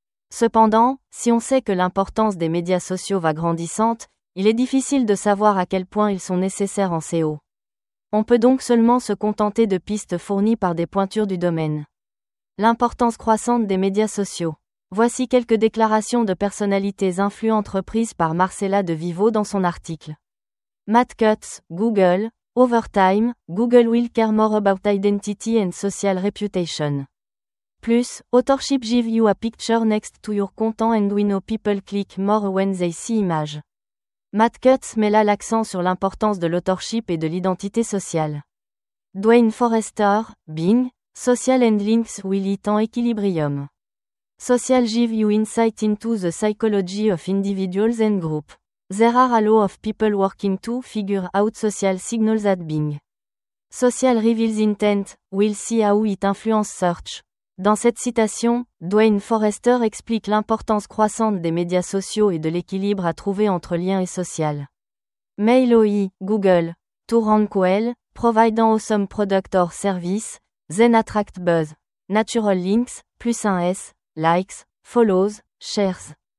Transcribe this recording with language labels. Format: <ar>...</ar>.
<fr>Cependant, si on sait que l'importance des médias sociaux va grandissante, il est difficile de savoir à quel point ils sont nécessaires en SEO. On peut donc seulement se contenter de pistes fournies par des pointures du domaine. L'importance croissante des médias sociaux. Voici quelques déclarations de personnalités influentes reprises par Marcella De Vivo dans son article.</fr> <en>Matt Cutts, Google, over time, Google will care more about identity and social reputation. Plus, authorship gives you a picture next to your content and we know people click more when they see images.</en> <fr>Matt Cutts met là l'accent sur l'importance de l'authorship et de l'identité sociale.</fr> <en>Dwayne Forrester, Bing, social and links will eat en equilibrium. Social give you insight into the psychology of individuals and groups. There are a lot of people working to figure out social signals at Bing. Social reveals intent, we'll see how it influences search.</en> <fr>Dans cette citation, Dwayne Forrester explique l'importance croissante des médias sociaux et de l'équilibre à trouver entre lien et social.</fr> <en>MailOI, Google, to rank well, provide an awesome product or service, then attract buzz. Natural links,</en> <fr>plus un S,</fr> <en>likes, follows, shares.</en>